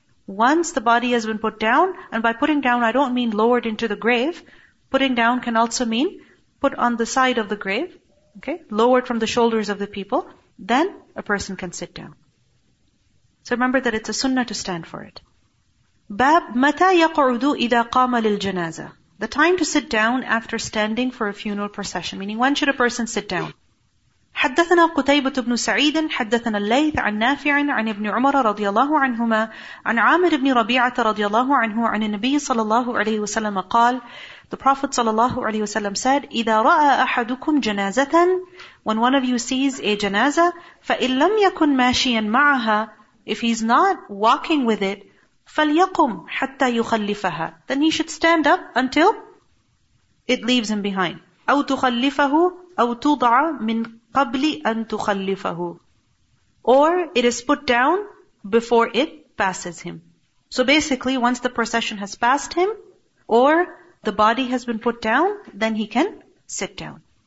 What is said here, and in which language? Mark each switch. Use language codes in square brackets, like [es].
[en] Once the body has been put down, and by putting down I don't mean lowered into the grave, putting down can also mean put on the side of the grave, okay, lowered from the shoulders of the people, then a person can sit down. So remember that it's a sunnah to stand for it. [ar] باب متى يقعد إذا قام للجنازة [en] The time to sit down after standing for a funeral procession. Meaning, when should a person sit down? [ar] حدثنا قتيبة بن سعيد حدثنا الليث عن نافع عن ابن عمر رضي الله عنهما عن عامر بن ربيعة رضي الله عنه عن النبي صلى الله عليه وسلم قال [en] The Prophet [ar] صلى الله عليه وسلم [en] said [ar] إذا رأى أحدكم جنازة [en] When one of you sees a [ar] جنازة فإن لم يكن ماشيا معها [en] If he's not walking with it [ar] فَلْيَقُمْ حَتَّى يُخَلِّفَهَا [en] Then he should stand up until it leaves him behind. [ar] أَوْ تُخَلِّفَهُ أَوْ تُوضَعَ مِنْ قَبْلِ أَن تُخَلِّفَهُ [en] Or it is put down before it passes him. So basically, once the procession has passed him, or the body has been put down, then he can sit down.